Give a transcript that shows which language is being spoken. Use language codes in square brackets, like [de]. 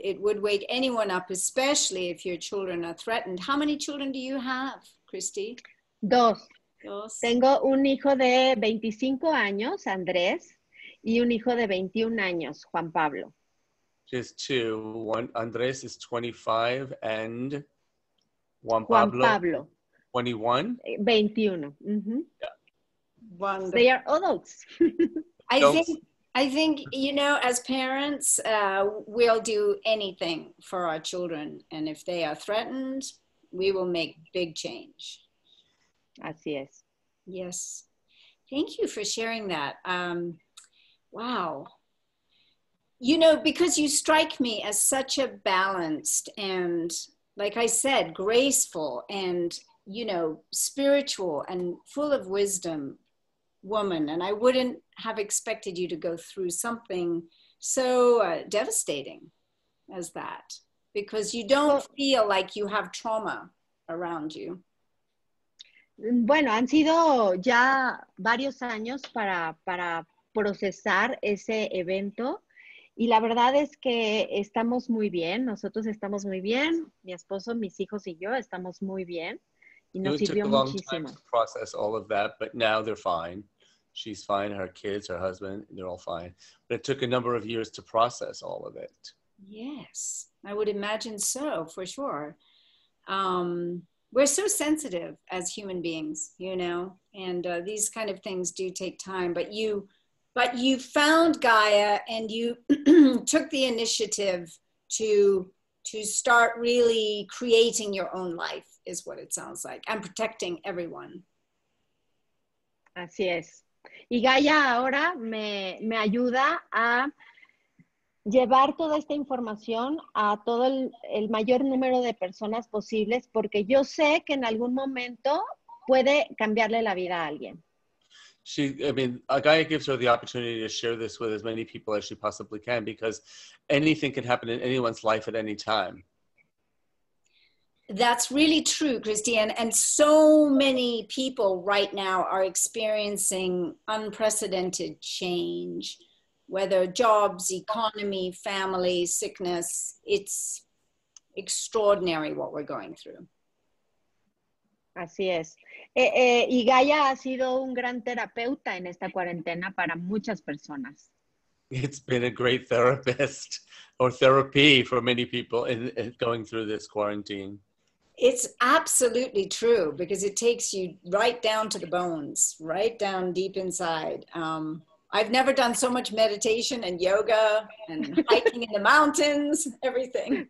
[en] It would wake anyone up, especially if your children are threatened. How many children do you have, Christy? [es] Dos. Tengo un hijo de 25 años, Andrés, y un hijo de 21 años, Juan Pablo. [en] Just two. One, Andrés is 25 and Juan Pablo. 21? 21. Mm-hmm. Yeah. Wonderful. They are adults. I think, you know, as parents, we'll do anything for our children. And if they are threatened, we will make big change. [es] Así es. [en] Yes. Thank you for sharing that. Wow. You know, because you strike me as such a balanced and, like I said, graceful and, you know, spiritual and full of wisdom woman, and I wouldn't have expected you to go through something so devastating as that, because you don't feel like you have trauma around you. [es] Bueno, han sido ya varios años para procesar ese evento. Y la verdad es que estamos muy bien. Nosotros estamos muy bien. Mi esposo, mis hijos y yo estamos muy bien. Y nos sirvió muchísimo. [en] It took a long time to process all of that, but now they're fine. She's fine, her kids, her husband, they're all fine. But it took a number of years to process all of it. Yes, I would imagine so, for sure. We're so sensitive as human beings, you know, and these kind of things do take time. But you found Gaia and you took the initiative to start really creating your own life, is what it sounds like, and protecting everyone. [es] Así es. Y Gaia ahora me ayuda a llevar toda esta información a todo el mayor número de personas posibles, porque yo sé que en algún momento puede cambiarle la vida a alguien. [en] Gaia gives her the opportunity to share this with as many people as she possibly can, because anything can happen in anyone's life at any time. That's really true, Christine. And so many people right now are experiencing unprecedented change. Whether jobs, economy, family, sickness, it's extraordinary what we're going through. [es] Así es. Y Gaia ha sido un gran terapeuta en esta cuarentena para muchas personas. [en] It's been a great therapist or therapy for many people in going through this quarantine. It's absolutely true, because it takes you right down to the bones, right down deep inside. I've never done so much meditation and yoga and hiking in the mountains, everything.